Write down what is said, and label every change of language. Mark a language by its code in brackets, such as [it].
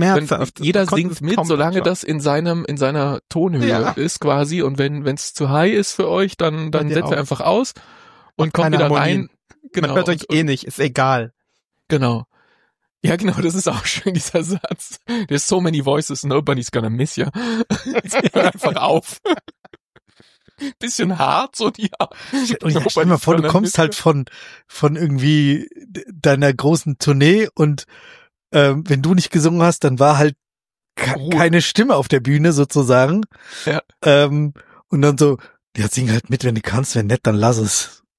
[de] wenn jeder singt mit, solange das in seiner Tonhöhe ist quasi. Und wenn es zu high ist für euch, dann setzt ihr einfach aus und kommt wieder rein. Genau. Man hört euch nicht, ist egal. Genau. Ja, genau, das ist auch schön, dieser Satz. [en] There's so many voices, nobody's gonna miss ya. [de] Hör einfach auf. Bisschen hart, so die. Und ich stell dir mal vor, du kommst halt von irgendwie deiner großen Tournee und wenn du nicht gesungen hast, dann war halt keine Stimme auf der Bühne sozusagen. Ja. Und dann so, ja, sing halt mit, wenn du kannst, wenn nicht, dann lass es.